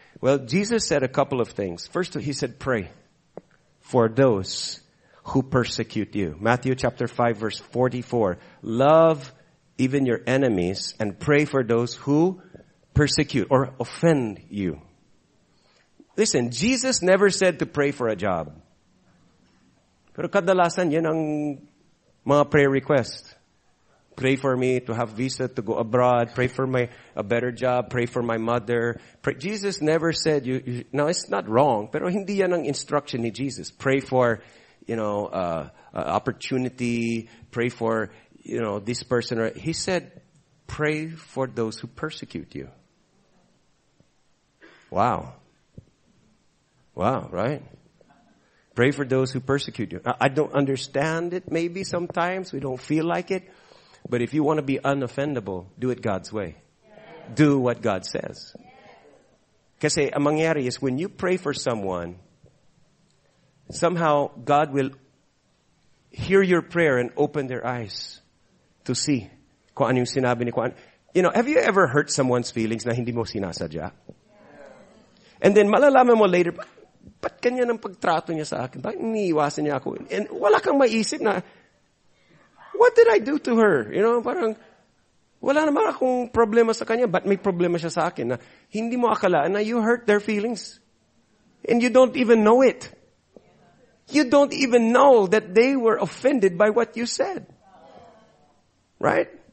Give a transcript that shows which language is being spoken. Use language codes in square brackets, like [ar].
[en] Well, Jesus said a couple of things. First, he said, pray for those who persecute you. Matthew chapter 5, verse 44. Love even your enemies and pray for those who persecute or offend you. Listen, Jesus never said to pray for a job. [tl] Pero kadalasan, yan ang mga prayer request. [en] Pray for me to have visa to go abroad. Pray for my a better job. Pray for my mother. Pray. Jesus never said, now it's not wrong, [tl] pero hindi yan ang instruction ni Jesus. [en] Pray for, you know, opportunity. Pray for, you know, this person. He said, pray for those who persecute you. Wow. Wow, right? Pray for those who persecute you. I don't understand it maybe sometimes. We don't feel like it. But if you want to be unoffendable, do it God's way. Yes. Do what God says. Yes. [tl] Kasi ang mangyari [en] is when you pray for someone, somehow God will hear your prayer and open their eyes to see [tl] kung ano yung sinabi ni kuan. [en] You know, have you ever hurt someone's feelings [tl] na hindi mo sinasadya? And then malalaman mo later, ba't kanya ng pagtrato niya sa akin? Ba't iniiwasan niya ako? [en] And [tl] wala kang maisip na, [en] what did I do to her? [tl] You know, parang, wala naman akong problema sa kanya, ba't may problema siya sa akin? Na hindi mo akala na [en] you hurt their feelings. And you don't even know it. You don't even know that they were offended by what you said. Right?